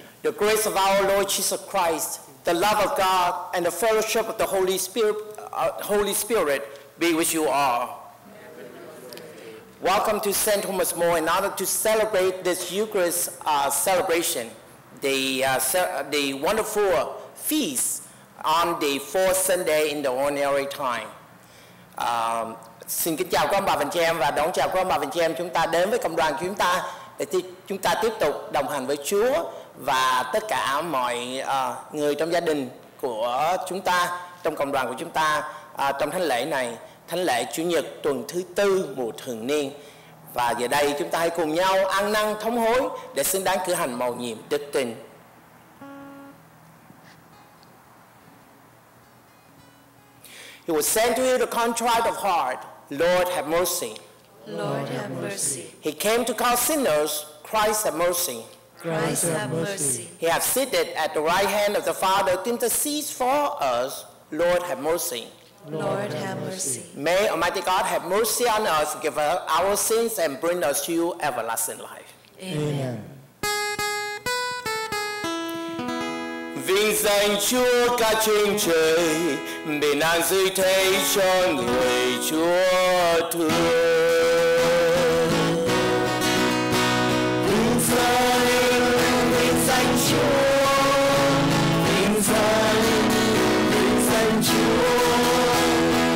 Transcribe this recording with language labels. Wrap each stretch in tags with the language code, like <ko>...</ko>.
<en>The grace of our Lord Jesus Christ, the love of God, and the fellowship of the Holy Spirit be with you all. Amen. Welcome to St. Thomas More in order to celebrate this Eucharist celebration, the wonderful feast on the fourth Sunday in the ordinary time.</en> <vi>Xin kính chào các ông bà và anh chị em và đón chào các ông bà và anh chị em chúng ta đến với cộng đoàn chúng ta để chúng ta tiếp tục đồng hành với Chúa và tất cả mọi người trong gia đình của chúng ta, trong cộng đoàn của chúng ta trong thánh lễ này, thánh lễ Chủ nhật tuần thứ tư mùa thường niên. Và giờ đây chúng ta hãy cùng nhau ăn năn thống hối để xứng đáng cử hành mầu nhiệm đức tin.</vi> <en>He was sent to you the contrite of heart. Lord, have mercy. Lord, have mercy. He came to call sinners. Christ, have mercy. Christ, have mercy. He has seated at the right hand of the Father to intercede for us. Lord, have mercy. Lord, have mercy. May Almighty God have mercy on us, forgive our sins, and bring us to you everlasting life. Amen.</en> <vi>Vinh danh Chúa cả trên trời, bình an dưới thế cho người Chúa thương. Vinh danh Chúa, vinh danh Chúa.</vi>